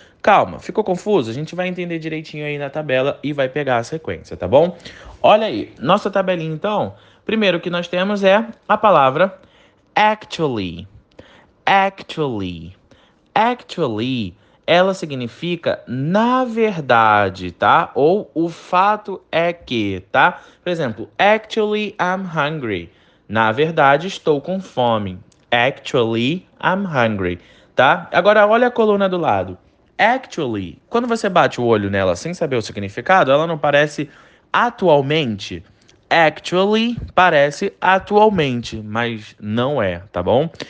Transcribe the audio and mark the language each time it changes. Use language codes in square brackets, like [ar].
[pt] Calma, ficou confuso? A gente vai entender direitinho aí na tabela e vai pegar a sequência, tá bom? Olha aí, nossa tabelinha então, primeiro que nós temos é a palavra actually. Actually. Actually, ela significa na verdade, tá? Ou o fato é que, tá? Por exemplo, [en] actually I'm hungry. [pt] Na verdade, estou com fome. [en] Actually I'm hungry, [pt] tá? Agora olha a coluna do lado. Actually, quando você bate o olho nela sem saber o significado, ela não parece atualmente. Actually parece atualmente, mas não é, tá bom?